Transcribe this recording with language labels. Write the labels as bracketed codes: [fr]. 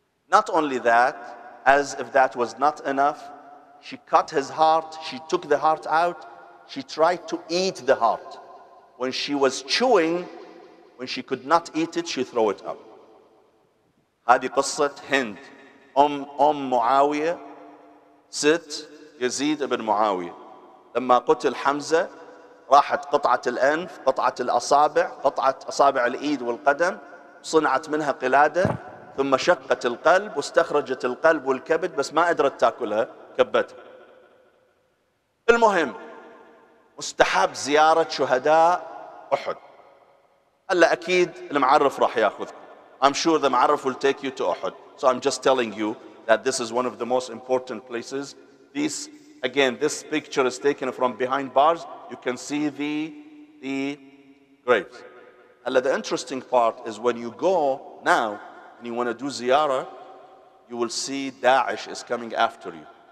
[en] Not only that, as if that was not enough, she cut his heart, she took the heart out, she tried to eat the heart. When she was chewing, when she could not eat it, she threw it up. [ar] هذه قصة هند. أم معاوية ست يزيد بن معاوية. لما قتل حمزة راحت قطعة الأنف, قطعة الأصابع, قطعة أصابع الإيد والقدم, صنعت منها قلادة. ثم شقت القلب واستخرجت القلب والكبد بس ما قدرت تاكلها كبتها. المهم مستحب زيارة شهداء أحد. هلا أكيد المعرف راح ياخذكم. [en] I'm sure the معرف will take you to أحد. So I'm just telling you that this is one of the most important places. This picture is taken from behind bars. You can see the graves. هلا the interesting part is when you go now and you want to do ziyara, you will see Daesh is coming after you.